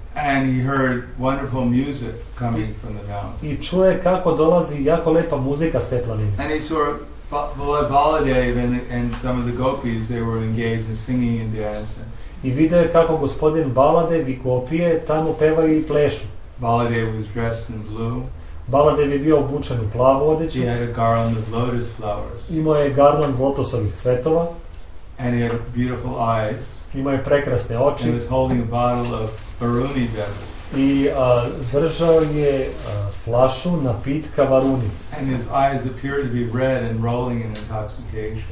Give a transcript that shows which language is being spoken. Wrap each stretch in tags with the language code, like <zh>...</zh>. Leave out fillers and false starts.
<en>And he heard wonderful music coming from the mountain.</en> <sr>I čuje kako dolazi jako lepa muzika s te planine.</sr> <en>And he saw Baladev and some of the gopis, they were engaged in singing and dancing.</en> <sr>I vidio kako gospodin Baladev i gopije tamo pevaju i plešu.</sr> <en>Baladev was dressed in blue.</en> <sr>Baladev je bio obučen u plavu odeću.</sr> <en>He had a garland of lotus flowers.</en> <sr>Imao je garland lotosovih cvetova.</sr> <en>And he had beautiful eyes.</en> <sr>Imao je prekrasne oči.</sr> <en>And he was holding a bottle of Varuni beverage.</en> <sr>I držao je flašu napitka Varuni.</sr> <en>And his eyes appeared to be red and rolling in intoxication.</en>